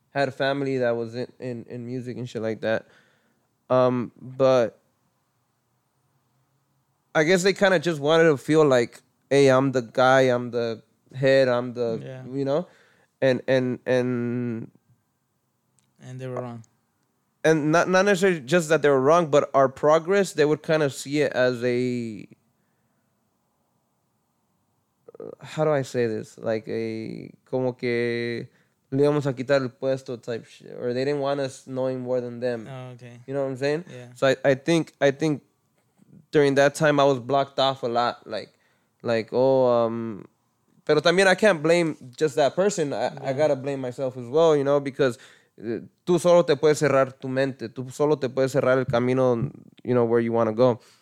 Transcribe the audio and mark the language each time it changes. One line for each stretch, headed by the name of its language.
English: Had a family that was in music and shit like that. But I guess they kind of just wanted to feel like, hey, I'm the guy, I'm the head, I'm the, you know, and they were wrong. And not necessarily just that they were wrong, but our progress, they would kind of see it as a, how do I say this? Like a,
Spanish: como que le vamos a quitar el puesto
English: type shit. Or they didn't want us knowing more than them. Oh, okay. You know what I'm saying? Yeah. So I think during that time I was blocked off a lot. Like,
Spanish: pero también
English: I can't blame just that person. I gotta blame myself as well, you know, because
Spanish: tú solo te puedes cerrar tu mente. Tú solo te puedes cerrar el camino,
English: you know, where you want to go.